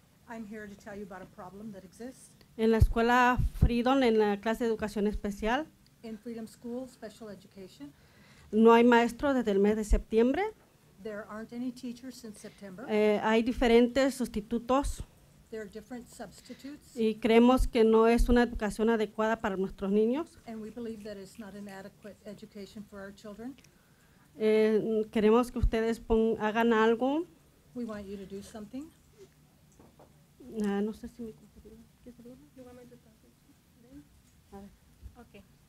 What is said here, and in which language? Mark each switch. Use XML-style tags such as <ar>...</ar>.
<en>I'm here to tell you about a problem that exists.</en> <es>En la escuela Freedom, en la clase de educación especial.</es> <en>In Freedom School, special education.</en> <es>No hay maestro desde el mes de septiembre.</es> <en>There aren't any teachers since September.</en> <es>Hay diferentes sustitutos.</es> <en>There are different substitutes.</en> <es>Y creemos que no es una educación adecuada para nuestros niños.</es> <en>And we believe that it's not an adequate education for our children.</en> <es>Queremos que ustedes hagan algo.</es> <en>We want you to do something.</en> <es>No sé si me</es> <en>Okay.</en>